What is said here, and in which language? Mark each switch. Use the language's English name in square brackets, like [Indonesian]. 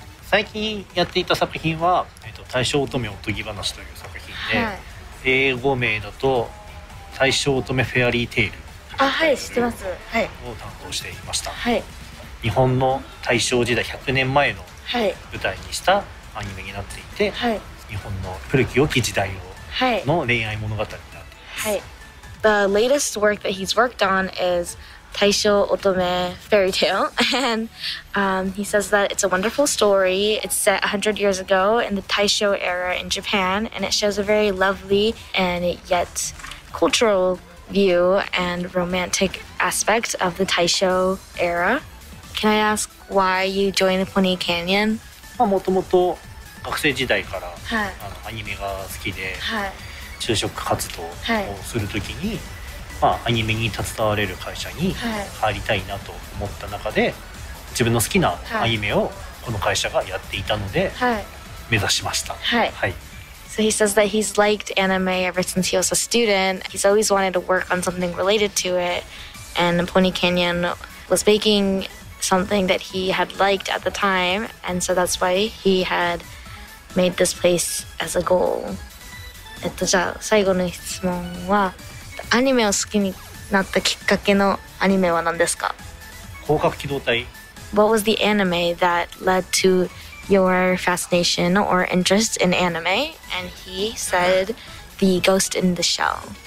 [Japanese] 最近やっていた作品は、大正乙女おとぎ話という作品で、はい、英語名だと大正乙女フェアリーテイル。あ、はい、知ってます。はい。を担当していました。はい。日本の大正時代100年前の舞台にしたアニメになっていて、はい、日本の古き良き時代をの恋愛物語になっています。 はい。 [English] The latest work that he's worked on is 大正乙女 fairy tale, and、he says that it's a wonderful story. It's set 100 years ago in the Taisho era in Japan, and it shows a very lovely and yet cultural view and romantic aspect of the Taisho era. Can I ask why you joined the Ponycanyon? [Japanese] まあ、もともと学生時代から、はい、あのアニメが好きで、はい、就職活動をするときに、はい、まあ、アニメに携われる会社に入りたいなと思った中で、はい、自分の好きなアニメをこの会社がやっていたので、はい、目指しました、はいはい、 [English] So he says that he's liked anime ever since he was a student. He's always wanted to work on something related to it. And Ponycanyon was making... something that he had liked at the time and so that's why he had made this place as a goal. [Japanese] じゃあ最後の質問はアニメを好きになったきっかけのアニメは何ですか? 攻殻機動隊。 [English] What was the anime that led to your fascination or interest in anime? And he said the Ghost in the Shell.